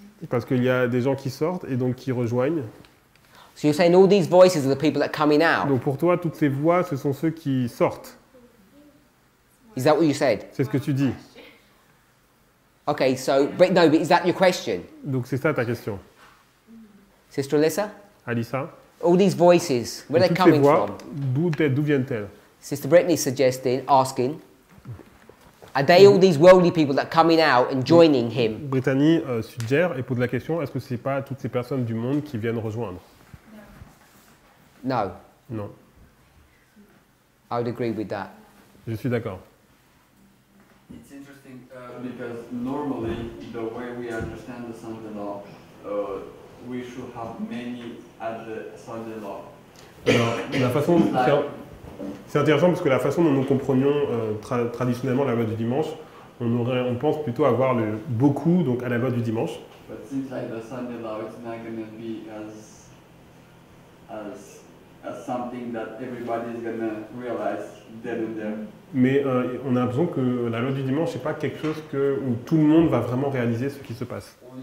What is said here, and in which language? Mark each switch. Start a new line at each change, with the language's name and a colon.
French: Parce qu'il y a des gens qui sortent et donc qui rejoignent.
English: So you're saying all these voices are the people that are coming out.
French: Donc pour toi, toutes ces voix, ce sont ceux qui sortent.
English: Is that what you said?
French: C'est ce que tu dis.
English: Okay, so but no, but is that your question?
French: Donc c'est ça ta question.
English: Sister Alyssa?
French: Alyssa?
English: All these voices, where are they coming
French: voix,
English: from?
French: D'où viennent-elles?
English: Sister Brittany suggesting, asking, are they all these worldly people that are coming out and joining him?
French: Brittany suggère et pose la question, est-ce que ce n'est pas toutes ces personnes du monde qui viennent rejoindre?
English: No.
French: Non.
English: I would agree with that.
French: Je suis d'accord.
English: It's interesting because normally the way we understand the sound of the law, we should have many at the Sunday law.
French: Alors, la façon, c'est intéressant parce que la façon dont nous comprenions traditionnellement la loi du dimanche, on pense plutôt avoir le beaucoup donc à la loi du dimanche.
English: But seems like the Sunday law is not going to be as something that everybody is going to realize then and there.
French: Mais on a l'impression que la loi du dimanche n'est pas quelque chose que où tout le monde va vraiment réaliser ce qui se passe.